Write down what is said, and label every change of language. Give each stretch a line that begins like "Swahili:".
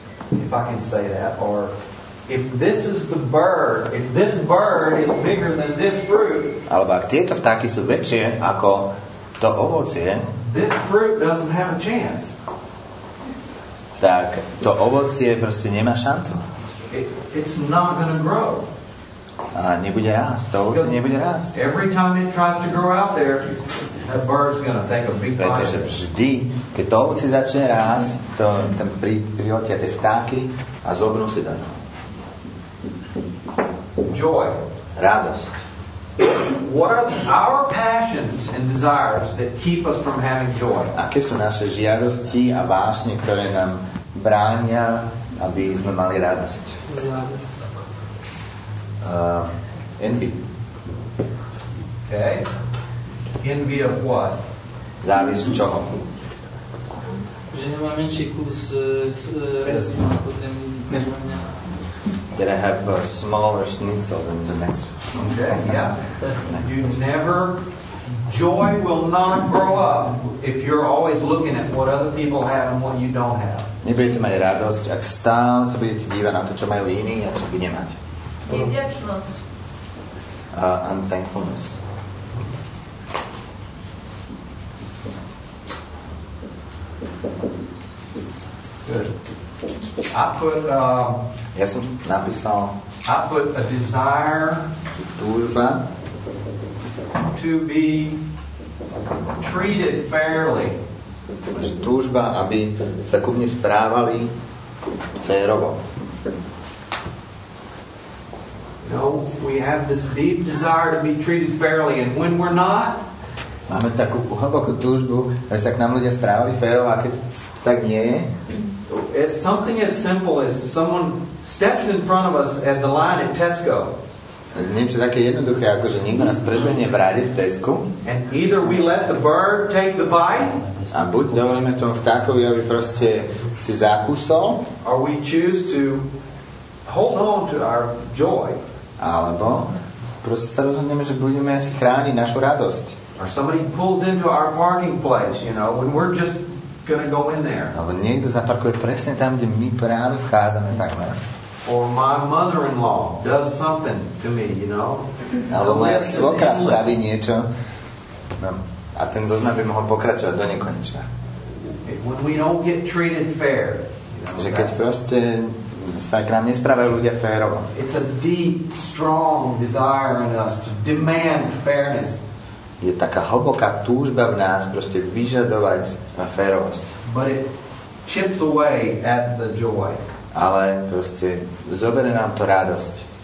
English: if I can say that, or if this is the bird, if this bird is bigger than this fruit,
Slovak: alebo ak tieto vtáky sú väčšie ako to ovocie,
English: this fruit doesn't have a chance.
Slovak: Tak to ovocie proste nemá šancu.
English: It's not going to grow.
Slovak: A nebude rásť, to ovocie nebude rásť.
English: Every time it tries to grow out there, that bird's gonna take a big bite.
Slovak: Pretože vždy, keď to ovocie začne rásť, to tam priletia tie vtáky a zobnú si to.
English: Joy.
Slovak: Radosť.
English: What are our passions and desires that keep us from having joy?
Slovak: Aké sú naše žiadosti a vášne, ktoré nám bránia, aby sme mali radosť? Zavisť.
English: Envy. Okay. Envy of what?
Slovak: Závisť čoho? Že nemám menší kus rezňu, potom
English: that I have a smaller schnitzel than the next one. Okay, yeah. You never... Joy will not grow up if you're always looking at what other people have and what you don't have.
Slovak: Nebudete mať radosť, ak stále sa budete dívať na to, čo majú iní a čo vy nemáte. Nevďačnosť.
English: Unthankfulness. Good. I put
Slovak: ja som napísal.
English: I put a desire
Slovak: túžba
English: to be treated fairly.
Slovak: Túžba, aby sa ku mne správali férovo.
English: No, we have this deep desire to be treated fairly, and when we're not,
Slovak: máme takú hlbokú túžbu, aby sa k nám ľudia správali férovo, a keď tak nie je,
English: it's something as simple as someone steps in front of us at the line at Tesco.
Slovak: Niečo také jednoduché, ako že niekto nás predbehne v rade v Tesku.
English: And either we let the bird take the bite,
Slovak: a buď dovolíme tomu vtákovi, aby proste si zakúsol,
English: or we choose to hold on to our joy.
Slovak: Alebo proste sa rozhodneme, že budeme si chrániť našu radosť.
English: Or somebody pulls into our parking place, you know, when we're just gonna go in there.
Slovak: Alebo niekto zaparkuje presne tam, kde my práve vchádzame takhle.
English: Or my mother-in-law does something to me, you know.
Slovak: Alebo moja svokra spraví niečo. No. A ten zoznam by mohol pokračovať do nekonečna.
English: When we don't get treated fair.
Slovak: Že keď proste sa k nám nespravajú ľudia férovo.
English: It's a deep, strong desire in us to demand fairness.
Slovak: Je taká hlboká túžba v nás proste vyžadovať na férovosť.
English: But it chips away at the joy.
Slovak: Ale proste zoberie nám to radosť.